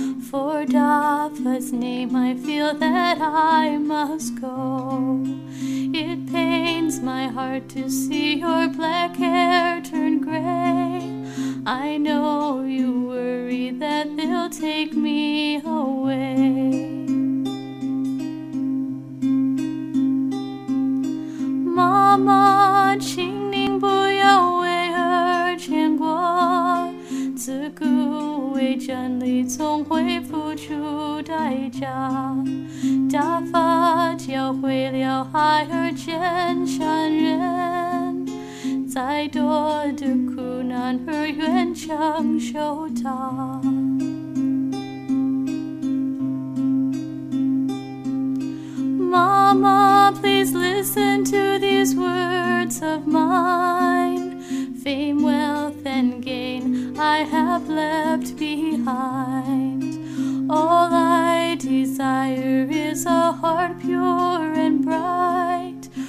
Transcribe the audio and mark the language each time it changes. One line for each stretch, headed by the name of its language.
English: For Dafa's name, I feel that I must go. It pains my heart to see your black hair turn gray. I know you worry that they'll take me away.
Chinese: Mama, 请您不要为儿牵挂，自古为真理总会付出代价，大法教会了孩儿真善人，再多的苦难儿愿承受它。
English: Mama, please listen to these words of mine. Fame, wealth, and gain I have left behind. All I desire is a heart pure and bright.